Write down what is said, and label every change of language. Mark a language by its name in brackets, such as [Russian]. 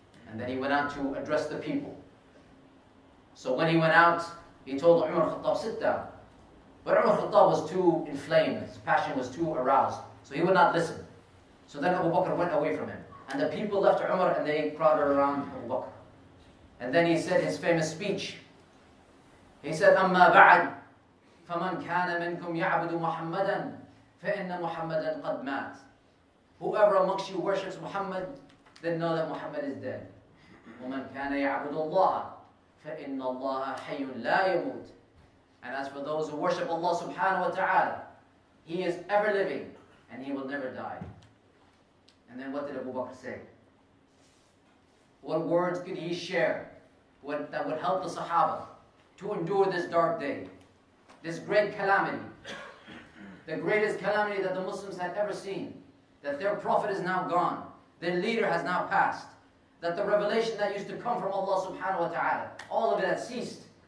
[English] And then he went out to address the people. So when he went out, he told Umar al-Khattab, sit down. But Umar al-Khattab was too inflamed, his passion was too aroused, so he would not listen. So then Abu Bakr went away from him. And the people left Umar and they crowded around Abu Bakr. And then he said his famous speech. He said, [Arabic] أما بعد فمن كان منكم يعبد محمدا فإن محمدا قد مات. [English] Whoever amongst you worships Muhammad, then know that Muhammad is dead. [Arabic] ومن كان يعبد الله فإن الله حي لا يموت. [English] And as for those who worship Allah subhanahu wa ta'ala, he is ever living and he will never die. And then what did Abu Bakr say? What words could he share that would help the Sahaba to endure this dark day, this great calamity, the greatest calamity that the Muslims had ever seen, that their Prophet is now gone, their leader has now passed, that the revelation that used to come from Allah subhanahu wa ta'ala, all of it had ceased.